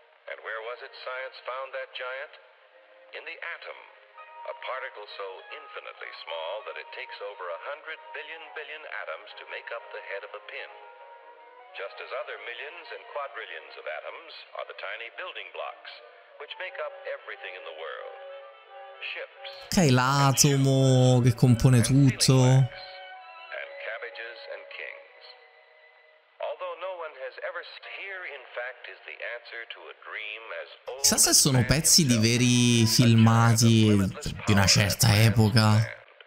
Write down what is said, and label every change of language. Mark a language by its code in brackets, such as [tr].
[en] And where was it science found that giant? In the atom. A particle so infinitely small that it takes over 100 billion atoms to make up the head of a pin. Just as other millions and quadrillions of atoms are the tiny building blocks. Which make up everything in the world. Ships, [it] ok, l'atomo che compone tutto. [en] And cabbages and kings. Although no one has ever here in fact is the answer to a dream as old. [it] Chissà se sono pezzi di veri filmati di una certa epoca.